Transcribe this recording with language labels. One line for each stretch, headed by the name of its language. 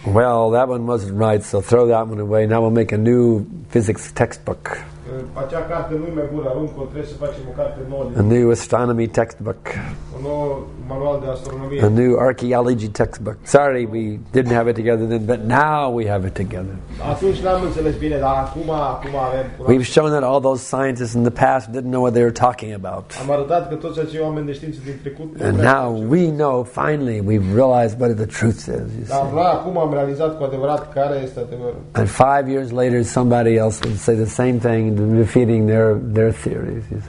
English: Well, that one wasn't right, so throw that one away. Now we'll make a new physics textbook.
Romanian: Acea carte nu-i mai bună, aruncă-o, trebuie să facem o carte nouă.
English: A new astronomy textbook.
Romanian: Un nou manual de astronomie.
English: A new archaeology textbook. Sorry, we didn't have it together then, but now we have it together.
Romanian: Atunci n-am înțeles bine, dar acum avem.
English: We've shown that all those scientists in the past didn't know what they were talking about.
Romanian: Am arătat că toți acei oameni de știință din trecut.
English: And now we know, finally, we've realized what the truth is.
Romanian: Dar acum am realizat cu adevărat care este adevărul.
English: And 5 years later, somebody else would say the same thing. Defeating their theories.